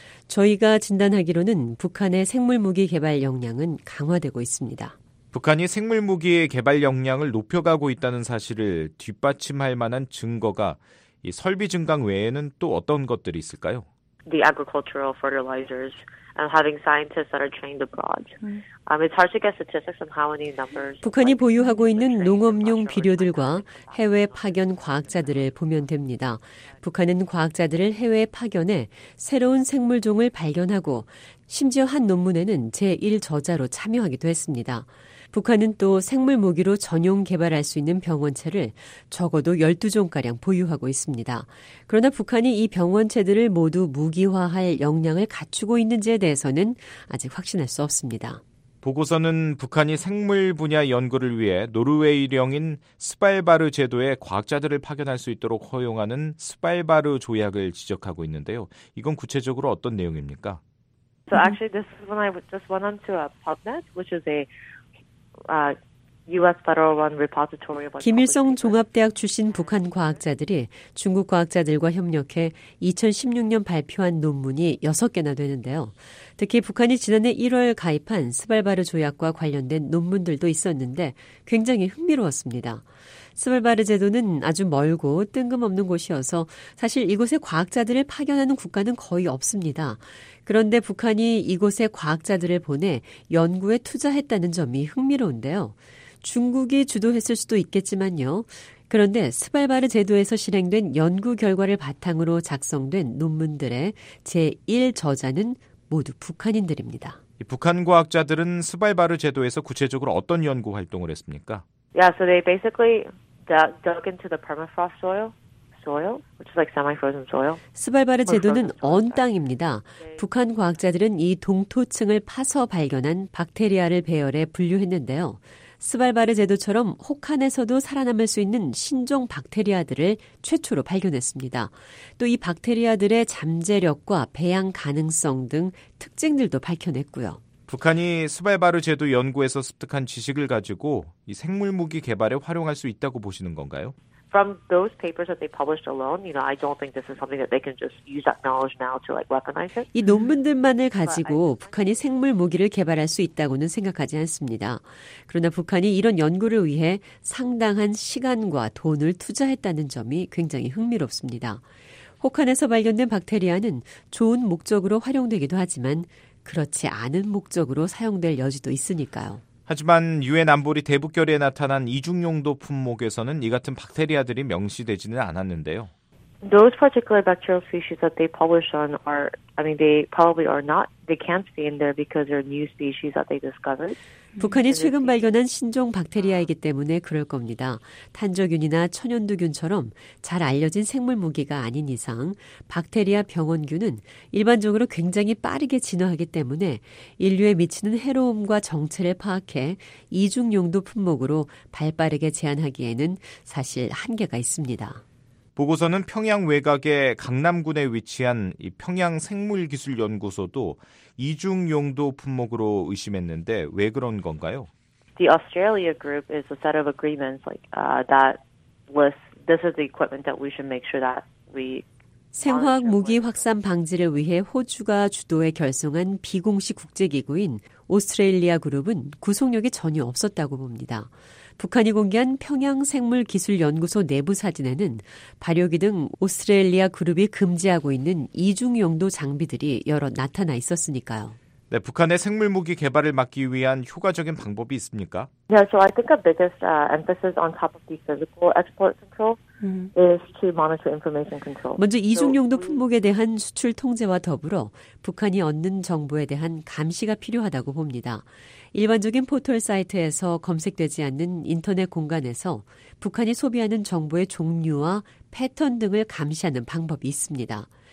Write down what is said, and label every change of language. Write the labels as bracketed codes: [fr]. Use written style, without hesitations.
[ko] 저희가 진단하기로는 북한의 생물무기 개발 역량은 강화되고 있습니다. 북한이 생물무기의 개발 역량을 높여가고 있다는 사실을 뒷받침할 만한 증거가 이 설비 증강 외에는 또 어떤 것들이 있을까요? [en] The agricultural fertilizers. And having scientists that are trained abroad. It's hard to get statistics on how many numbers. [ko] 북한이 보유하고 있는 농업용 비료들과 해외 파견 과학자들을 보면 됩니다. 북한은 과학자들을 해외 파견해 새로운 생물종을 발견하고 심지어 한 논문에는 제1저자로 참여하기도 했습니다. 북한은 또 생물무기로 전용 개발할 수 있는 병원체를 적어도 12종가량 보유하고 있습니다. 그러나 북한이 이 병원체들을 모두 무기화할 역량을 갖추고 있는지에 대해서는 아직 확신할 수 없습니다. 보고서는 북한이 생물 분야 연구를 위해 노르웨이령인 스발바르 제도에 과학자들을 파견할 수 있도록 허용하는 스발바르 조약을 지적하고 있는데요. 이건 구체적으로 어떤 내용입니까? [en] So actually, this is when I just went on to PubMed, which is a U.S. Federal-run repository. [ko] 김일성 종합대학 출신 북한 과학자들이 중국 과학자들과 협력해 2016년 발표한 논문이 6개나 되는데요. 특히 북한이 지난해 1월 가입한 스발바르 조약과 관련된 논문들도 있었는데 굉장히 흥미로웠습니다. 스발바르 제도는 아주 멀고 뜬금없는 곳이어서 사실 이곳에 과학자들을 파견하는 국가는 거의 없습니다. 그런데 북한이 이곳에 과학자들을 보내 연구에 투자했다는 점이 흥미로운데요. 중국이 주도했을 수도 있겠지만요. 그런데 스발바르 제도에서 실행된 연구 결과를 바탕으로 작성된 논문들의 제1저자는 모두 북한인들입니다. 북한 과학자들은 스발바르 제도에서 구체적으로 어떤 연구 활동을 했습니까? [en] Yeah, so they basically dug into the permafrost soil, which is like semi-frozen soil. [ko] 스발바르 제도는 언 땅입니다. 북한 과학자들은 이 동토층을 파서 발견한 박테리아를 배열해 분류했는데요. 스발바르 제도처럼 혹한에서도 살아남을 수 있는 신종 박테리아들을 최초로 발견했습니다. 또 이 박테리아들의 잠재력과 배양 가능성 등 특징들도 밝혀냈고요. 북한이 스발바르 제도 연구에서 습득한 지식을 가지고 이 생물 무기 개발에 활용할 수 있다고 보시는 건가요? [en] From those papers that they published alone, you know, I don't think this is something that they can just use that knowledge now to like weaponize it. [ko] 이 논문들만을 가지고 북한이 생물 무기를 개발할 수 있다고는 생각하지 않습니다. 그러나 북한이 이런 연구를 위해 상당한 시간과 돈을 투자했다는 점이 굉장히 흥미롭습니다. 혹한에서 발견된 박테리아는 좋은 목적으로 활용되기도 하지만 그렇지 않은 목적으로 사용될 여지도 있으니까요. 하지만 유엔 안보리 대북결의에 나타난 이중용도 품목에서는 이 같은 박테리아들이 명시되지는 않았는데요. [en] Those particular bacterial species that they published on are, I mean, they probably are not, they can't be in there because they're new species that they discovered. [ko] 북한이 최근 발견한 신종 박테리아이기 때문에 그럴 겁니다. 탄저균이나 천연두균처럼 잘 알려진 생물 무기가 아닌 이상 박테리아 병원균은 일반적으로 굉장히 빠르게 진화하기 때문에 인류에 미치는 해로움과 정체를 파악해 이중용도 품목으로 발빠르게 제한하기에는 사실 한계가 있습니다. 보고서는 평양 외곽의 강남군에 위치한 이 평양 생물기술연구소도 이중용도 품목으로 의심했는데 왜 그런 건가요? [en] The Australia group is a set of agreements like that lists this is the equipment that we should make sure that we [ko] 생화학 무기 확산 방지를 위해 호주가 주도해 결성한 비공식 국제기구인 오스트레일리아 그룹은 구속력이 전혀 없었다고 봅니다. 북한이 공개한 평양생물기술연구소 내부 사진에는 발효기 등 오스트레일리아 그룹이 금지하고 있는 이중용도 장비들이 여러 나타나 있었으니까요. 네, 북한의 생물무기 개발을 막기 위한 효과적인 방법이 있습니까? [en] Yeah, so I think the biggest emphasis on top of the physical export control is to monitor information control. [ko] 먼저 이중용도 품목에 대한 수출 통제와 더불어 북한이 얻는 정보에 대한 감시가 필요하다고 봅니다. 일반적인 포털 사이트에서 검색되지 않는 인터넷 공간에서 북한이 소비하는 정보의 종류와 패턴 등을 감시하는 방법이 있습니다.